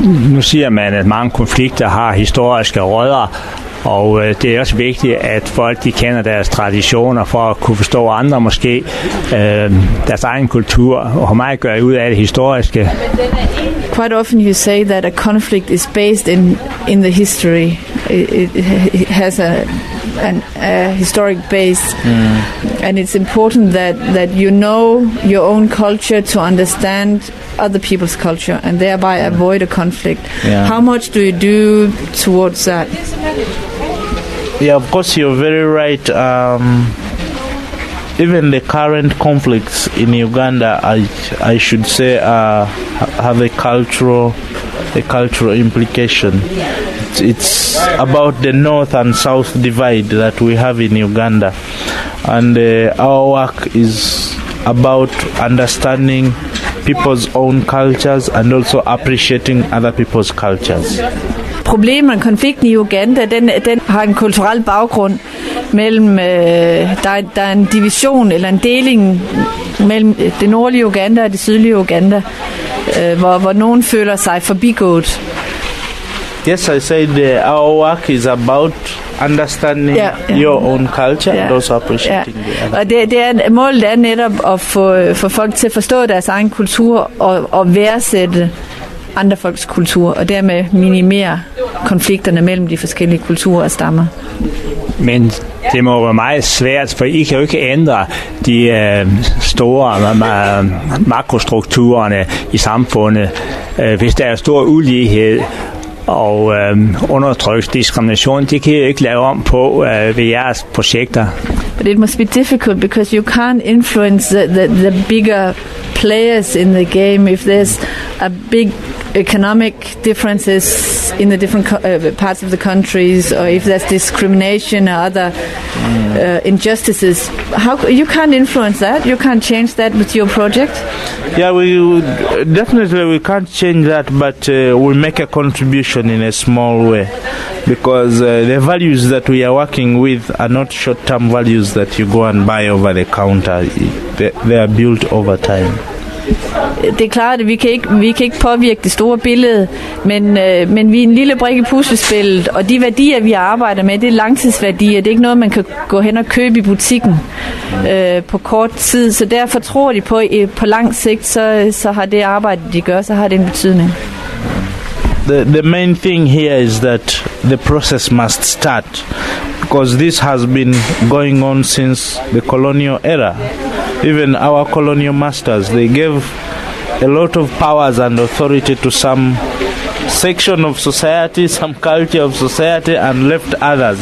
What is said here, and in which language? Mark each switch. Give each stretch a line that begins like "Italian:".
Danish: Nu siger man, at mange konflikter har historiske rødder, og det er også vigtigt, at folk de kender deres traditioner for at kunne forstå andre måske, deres egen kultur, og hvor meget gør I ud af det historiske.
English: Quite often you say that a conflict is based in the history. It has a historic base. And it's important that you know your own culture to understand other people's culture and thereby avoid a conflict. Yeah. How much do you do towards that? Yeah, of course, you're very right. Even the current conflicts in Uganda, I should say, have a cultural implication. It's about the north and south divide that we have in Uganda. And our work is about understanding people's own cultures and also appreciating other people's cultures.
Danish: Problemet med konflikten i Uganda, den har en kulturel baggrund mellem, der er en division eller en deling mellem det nordlige Uganda og det sydlige Uganda, hvor nogen føler sig forbigået.
English: Yes, I said our work is about understanding your own culture and also appreciating the other.
Danish: Og det er målet er netop at få folk til at forstå deres egen kultur og værdsætte andre folks kultur og dermed minimere konflikterne mellem de forskellige kulturer og stammer. Men det må være meget svært, for I kan jo ikke ændre de store makrostrukturerne i samfundet, hvis der er stor ulighed og undertryksdiskrimination. Det kan I jo ikke lave om på ved jeres projekter.
English: But it must be difficult because you can't influence the bigger players in the game if there's a big economic differences in the different parts of the countries, or if there's discrimination or other injustices. How you can't influence that? You can't change that with your project? Yeah, we can't change that, but we make a contribution in a small way, because the values that we are working with are not short-term values that you go and buy over the counter. They are built over time.
Danish: det er klart, at vi kan ikke påvirke det store billede, men vi er en lille brik i puslespillet, og de værdier, vi arbejder med, det er langtidsværdier. Det er ikke noget, man kan gå hen og købe i butikken på kort tid. Så derfor tror de på lang sigt, så har det arbejde, de gør, så har det en betydning.
English: The main thing here is that the process must start, because this has been going on since the colonial era. Even our colonial masters, they gave a lot of powers and authority to some section of society, some culture of society, and left others.